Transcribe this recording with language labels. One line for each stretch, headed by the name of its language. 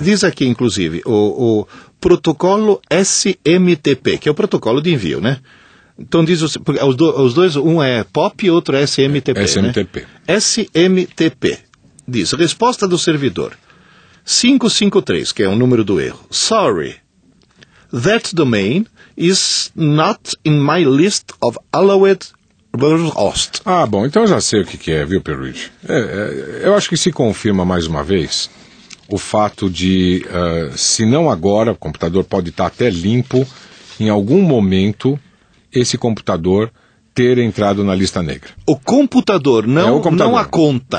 Portuguese: Diz aqui, inclusive, o protocolo SMTP, que é o protocolo de envio, né? Então diz os dois, um é POP e outro é SMTP. SMTP. Né? SMTP. Diz, resposta do servidor, 553, que é o número do erro.
English: Sorry, that domain is not in my list of allowed host.
Portuguese: Ah, bom, então eu já sei o que é, viu, Perridge? Eu acho que se confirma mais uma vez o fato de, se não agora, o computador pode estar até limpo, em algum momento esse computador ter entrado na lista negra. O computador, não a conta.